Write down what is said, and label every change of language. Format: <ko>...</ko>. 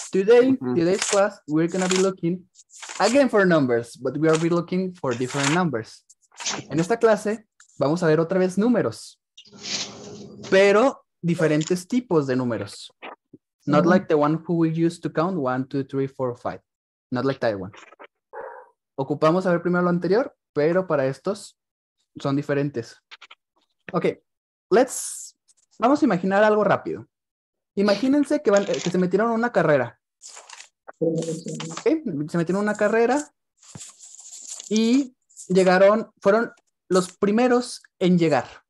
<en>Today, today's class, we're going to be looking again for numbers, but we are be looking for different numbers.</en> <es>En esta clase, vamos a ver otra vez números, pero diferentes tipos de números.</es> <en>Not mm-hmm. like the one who we use to count 1, 2, 3, 4, 5. Not like that one.</en> <es>Ocupamos a ver primero lo anterior, pero para estos son diferentes. Okay, vamos a imaginar algo rápido. Imagínense que se metieron en una carrera. Okay, se metieron en una carrera y fueron los primeros en llegar.</es>